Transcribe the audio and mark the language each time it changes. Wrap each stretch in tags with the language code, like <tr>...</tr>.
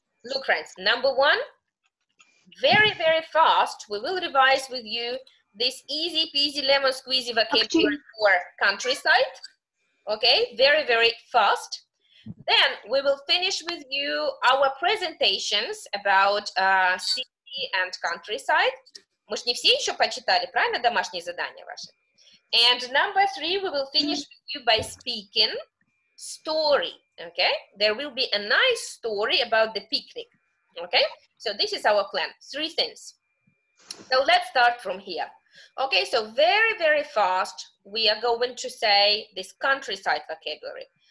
<en>Look, friends, number one, very, very fast, we will revise with you this easy peasy lemon squeezy vocabulary for countryside. Okay, very, very fast. Then we will finish with you our presentations about city and countryside.</en> <ru>Мы ж не все еще почитали, правильно, домашние задания ваши?</ru> <en>And number three, we will finish with you by speaking story. Okay, there will be a nice story about the picnic. Okay, so this is our plan. Three things. So let's start from here. Okay, so very, very fast, we are going to say this countryside vocabulary.</en>